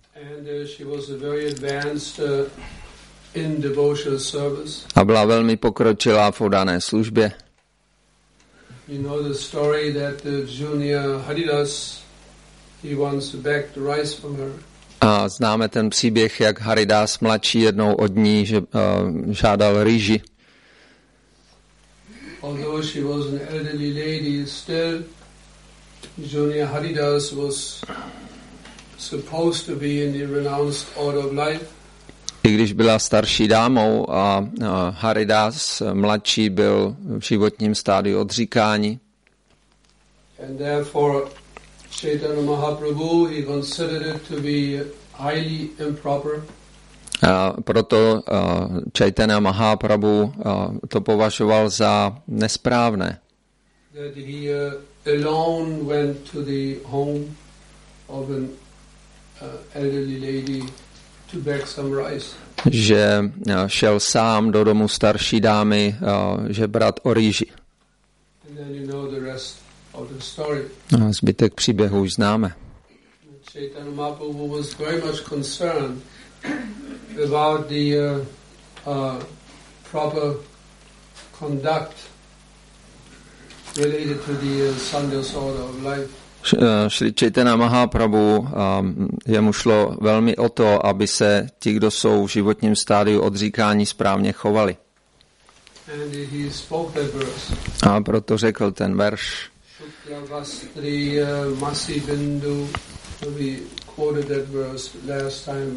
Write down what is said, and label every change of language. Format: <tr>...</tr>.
<en>And she was a very advanced in devotional service.</en> <cs>A byla velmi pokročilá v oddané službě.</cs> <en>You know the story that the junior Haridas, he once begged rice from her.</en> <cs>A známe ten příběh, jak Haridas mladší jednou od ní žádal rýži.</cs> <en>Although she was an elderly lady, still Junior Haridas was supposed to be in the renounced order of life.</en> <cs>I když byla starší dámou a Haridas mladší byl v životním stádiu odříkání.</cs> <en>And therefore Chaitanya Mahaprabhu, he considered it to be highly improper.</en> <cs>A proto Chaitanya Mahaprabhu to považoval za nesprávné.</cs> <en>That he alone went to the home of an elderly lady to beg some rice.</en> <cs>Že šel sám do domu starší dámy žebrat o rýži.</cs> <en>And then you know the rest of the story.</en> <cs>A zbytek příběhu už známe.</cs> <en>Chaitanya Mahaprabhu was very much concerned about the proper conduct related to the sannyas order of life.</en> <cs>Sri Chaitanya Mahaprabhu, jemu šlo velmi o to, aby se ti, kdo jsou v životním stádiu odříkání, správně chovali.</cs> <en>And he spoke that verse.</en> <cs>A proto řekl ten verš.</cs> <en>Shukra Vastri Masi Bindu. We quoted that verse last time.</en>